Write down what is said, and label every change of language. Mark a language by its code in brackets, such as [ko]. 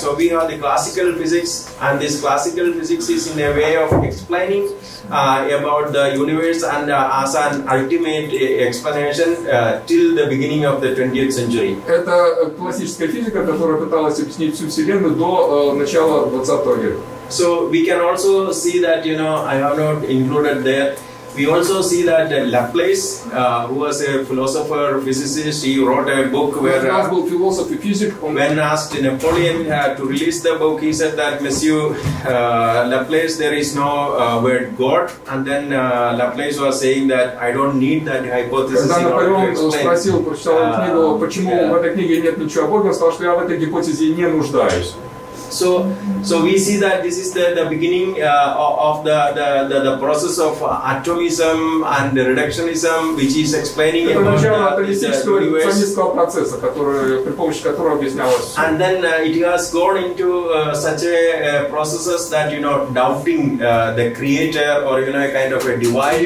[en] So we have the classical physics, and this classical physics is in a way of explaining about the universe and as an ultimate explanation till the beginning of the 20th century. [ru] Это классическая физика, которая пыталась объяснить всю Вселенную до начала 20-го века. [en] So we can also see that, you know, I have not included there. We also see that Laplace, who was a philosopher, physicist, he wrote a book where philosophy, physics, when asked Napoleon to release the book, he said that, Monsieur Laplace, there is no word God. And then Laplace was saying that, I don't need that hypothesis in order to explain. [ru] Спросил, прочитал книгу, почему в этой книге нет ничего о Боге, он сказал, что я в этой гипотезе не нуждаюсь. [en] So we see that this is the beginning of the process of atomism and the reductionism, which is explaining about the process, and then it has gone into such a processes that, you know, doubting the creator, or, you know, a kind of a divide,